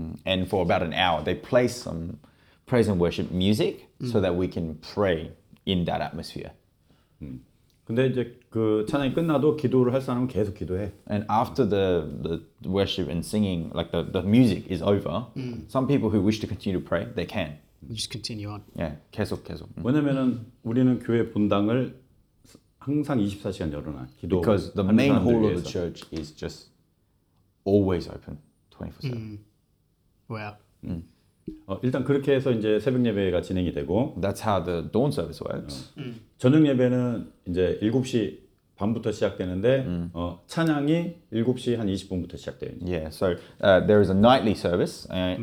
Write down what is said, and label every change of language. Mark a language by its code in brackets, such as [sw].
[en] And for about an hour, they play some praise and worship music so that we can pray in that atmosphere. [ko] 근데 이제 그 찬양이 끝나도 기도를 할 사람은 계속 기도해. [en] And after the worship and singing, like the music is over, some people who wish to continue to pray, they can. Just continue on. Yeah, [ko] 계속. 왜냐면은 우리는 교회 본당을 항상 24시간 열어놔. [en] Because the main hall of the church is just always open 24/7. Wow. [ko] 일단 그렇게 해서 이제 새벽 예배가 진행이 되고. [en] That's how the dawn service works. [ko] 저녁 예배는 이제 7시 반부터 시작되는데 찬양이 7시 한 20분부터 시작돼요. [en] Yeah, so there is a nightly service and